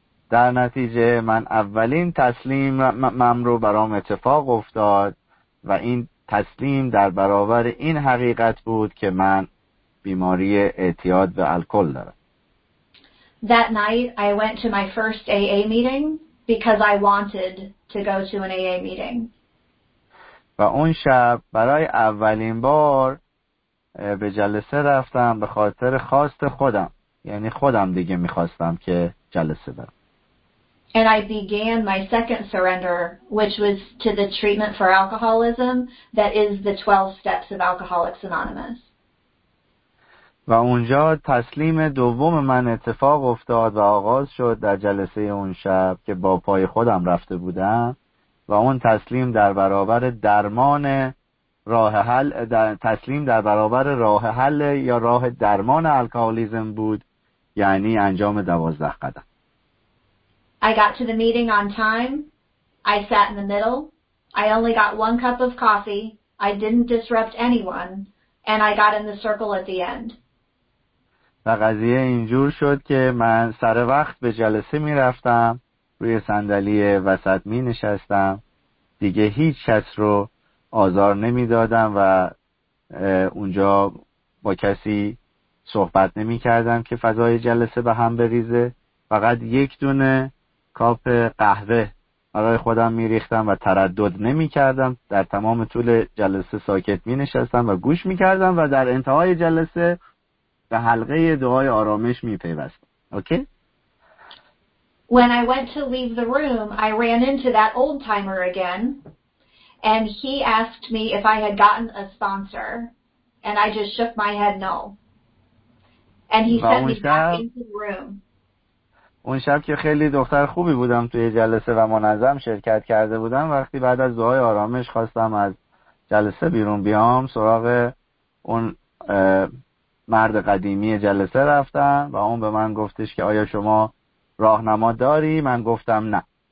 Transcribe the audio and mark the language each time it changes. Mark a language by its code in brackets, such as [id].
[fa] در نتیجه من اولین تسلیم مم رو برام اتفاق افتاد و این تسلیم در برابر این حقیقت بود که من بیماری اعتیاد به الکل دارم. [en] That night I went to my first AA meeting because I wanted to go to an AA meeting. [fa] و اون شب برای اولین بار به جلسه رفتم به خاطر خواست خودم. یعنی خودم دیگه میخواستم که جلسه برم. [en] And I began my second surrender, which was to the treatment for alcoholism, that is the 12 steps of Alcoholics Anonymous. [fa] و اونجا تسلیم دوم من اتفاق افتاد و آغاز شد در جلسه اون شب که با پای خودم رفته بودم و اون تسلیم در برابر درمان راه حل در تسلیم در برابر راه حل یا راه درمان الکالیزم بود، یعنی انجام 12 قدم. [en] I got to the meeting on time. I sat in the middle. I only got one cup of coffee. I didn't disrupt anyone. And I got in the circle at the end. [fa] و قضیه اینجور شد که من سر وقت به جلسه می رفتم. روی صندلی وسط می نشستم. دیگه هیچ کس رو آزار نمی دادم و اونجا با کسی صحبت نمی کردم که فضای جلسه به هم بریزه. فقط یک دونه کاپ قهوه برای خودم میریختم و تردد نمی کردم. در تمام طول جلسه ساکت می نشستم و گوش می کردم و در انتهای جلسه به حلقه دعای آرامش می پیوستم. اوکی؟ [en] When I went to leave the room, I ran into that old timer again and he asked me if I had gotten a sponsor and I just shook my head no. And he sent me back into the room. [fa] اون شب که خیلی دختر خوبی بودم توی جلسه و منظم شرکت کرده بودم، وقتی بعد از دعای آرامش خواستم از جلسه بیرون بیام، سراغ اون مرد قدیمی جلسه رفتم و اون به من گفتش که آیا شما راهنما داری؟ من گفتم نه.